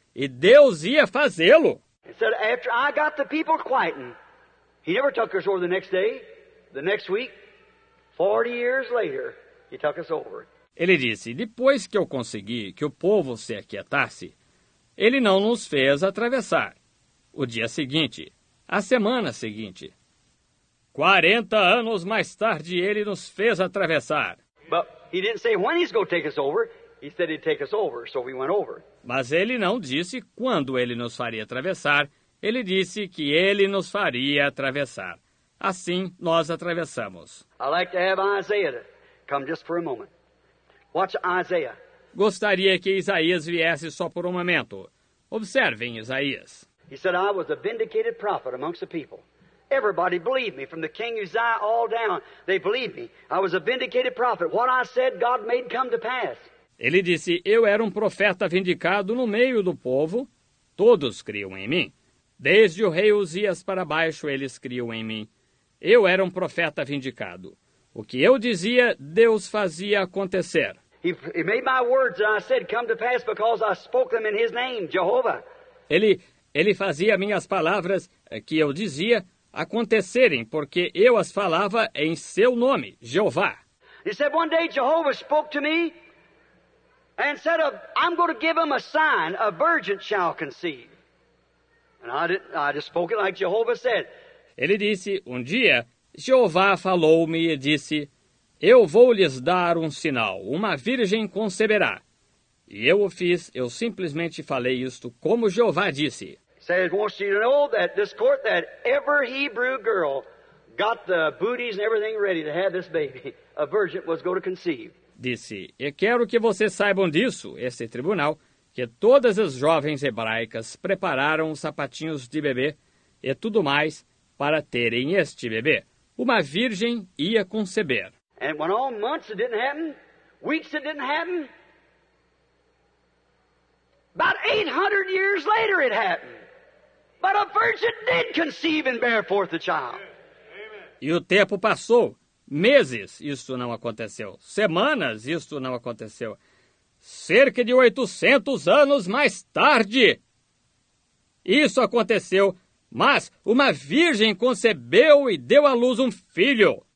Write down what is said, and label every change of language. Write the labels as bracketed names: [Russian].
[Portuguese] E Deus ia fazê-lo. [English] He said, after I got the people quieting, he never took us over the next day, the next week, 40 years later, he took us over. [Portuguese] Ele disse, depois que eu consegui que o povo se aquietasse, ele não nos fez atravessar. O dia seguinte, a semana seguinte, 40 anos mais tarde, ele nos fez atravessar. [English] But he didn't say when he's going to take us over. He said he'd take us over, so we went over. [Portuguese] Mas ele não disse quando ele nos faria atravessar, Ele disse que ele nos faria atravessar. Assim, nós atravessamos. [English] I'd like to have Isaiah come just for a moment. Watch Isaiah. [Portuguese] Gostaria que Isaías viesse só por um momento. Observem Isaías. [English] He said I was a vindicated prophet amongst the people. Everybody believed me, from the king Uzziah all down. They believed me. I was a vindicated prophet. What I said, God made come to pass. [Portuguese] Ele disse, eu era um profeta vindicado no meio do povo. Todos criam em mim. Desde o rei Uzias para baixo, eles criam em mim. Eu era um profeta vindicado. O que eu dizia, Deus fazia acontecer. [English] He made my words that I said come to pass because I spoke them in his name, Jehovah. [Portuguese] Ele fazia minhas palavras que eu dizia acontecerem, porque eu as falava em seu nome, Jeová. [English] He said one day Jehovah spoke to me and said, I'm going to give him a sign, a virgin shall conceive. And I just spoke it like Jehovah said. [Portuguese] Ele disse, um dia, Jeová falou-me e disse, eu vou lhes dar um sinal, uma virgem conceberá. E eu o fiz, eu simplesmente falei isto como Jeová disse. [English] Said, wants you to know that this court, that every Hebrew girl got the booties and everything ready to have this baby, a virgin was going to conceive. [Portuguese] Disse, e quero que vocês saibam disso, esse tribunal, que todas as jovens hebraicas prepararam os sapatinhos de bebê e tudo mais para terem este bebê. Uma virgem ia conceber. [English] And went on months, it didn't happen. Weeks, it didn't happen. About 800 years later, it happened. But a virgin did conceive and bear forth a child. Amen. [Portuguese] E o tempo passou. Meses, isto não aconteceu. Semanas, isto não aconteceu. Cerca de 800 anos mais tarde, isso aconteceu. Mas uma virgem concebeu e deu à luz um filho.